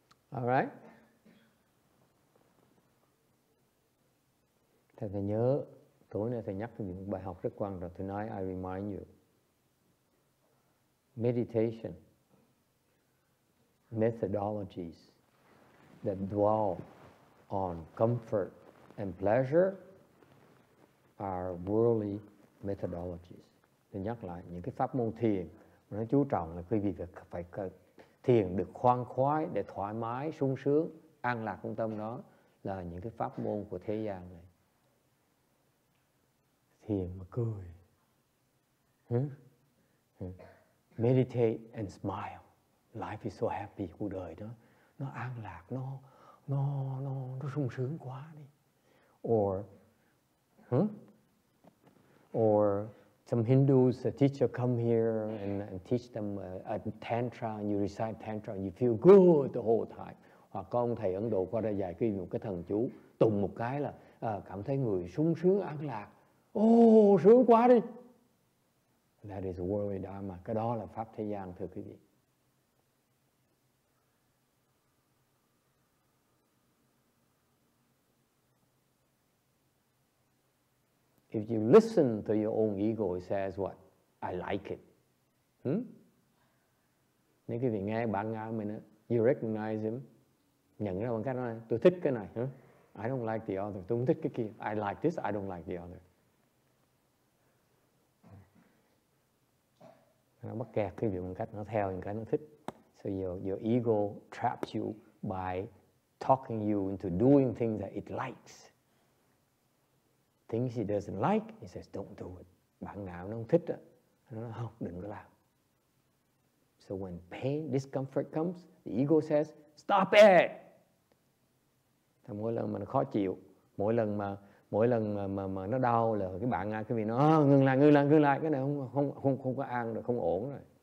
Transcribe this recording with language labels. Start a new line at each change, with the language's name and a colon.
English: All right.
Vietnamese: Thầy nhớ tối nay thầy nhắc những bài học rất quan trọng.
English: Tonight I remind you. Meditation methodologies that dwell on comfort and pleasure are worldly methodologies.
Vietnamese: Thầy nhắc lại những cái pháp môn thiền nó chú trọng là quý vị phải thiền được khoan khoái để thoải mái, sung sướng, an lạc trong tâm đó là những cái pháp môn của thế gian này. Thiền mà cười.
English: Meditate and smile. Life is so happy.
Vietnamese: Cuộc đời đó nó an lạc, nó sung sướng quá đi.
English: Or some Hindus, a teacher come here and teach them a tantra, and you recite tantra, and you feel good the whole time.
Vietnamese: Hoặc có ông thầy Ấn Độ qua đây dạy kinh một cái thần chú, tụng một cái là cảm thấy người sung sướng, an lạc. Sướng quá đi.
English: That is worldly dharma.
Vietnamese: Cái đó là pháp thế gian, thưa quý vị.
English: If you listen to your own ego, it says what? I like it.
Vietnamese: Nếu quý vị nghe bản ngã của mình,
English: you recognize him.
Vietnamese: Nhận ra bằng cách nói, tôi thích cái này.
English: I don't like the other.
Vietnamese: Tôi không thích cái kia.
English: I like this, I don't like the other.
Vietnamese: Nó mắc kẹt quý vị bằng cách nó theo những cái nó thích.
English: So your ego traps you by talking you into doing things that it likes. Things he doesn't like, he says, don't do it.
Vietnamese: Bản ngã nó không thích đó. Nó nói, không, đừng có làm.
English: So when pain, discomfort comes, the ego says, stop it!
Vietnamese: Thì mỗi lần mà nó khó chịu, mỗi lần mà nó đau là cái bản ngã cái vì nó, ngừng lại, cái này không có an rồi, không ổn rồi.